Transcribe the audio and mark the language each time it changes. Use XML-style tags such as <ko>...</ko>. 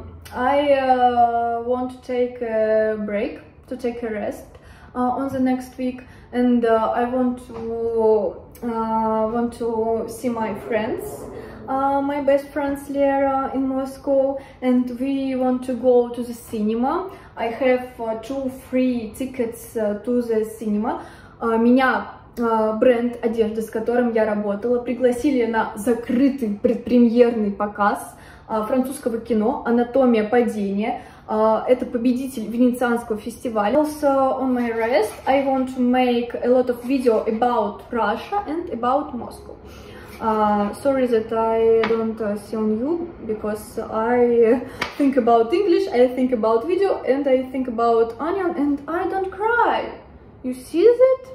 <en>I want to take a break, to take a rest on the next week, and I want to see my friends. My best friend Lera in Moscow, and we want to go to the cinema. I have two free tickets to the cinema.</en> <ru>Меня бренд одежды, с которым я работала, пригласили на закрытый предпремьерный показ французского кино «Анатомия падения». Это победитель Венецианского фестиваля.</ru> <en>Also on my rest, I want to make a lot of video about Russia and about Moscow. Sorry that I don't see on you, because I think about English, I think about video, and I think about onion, and I don't cry. You see that?</en>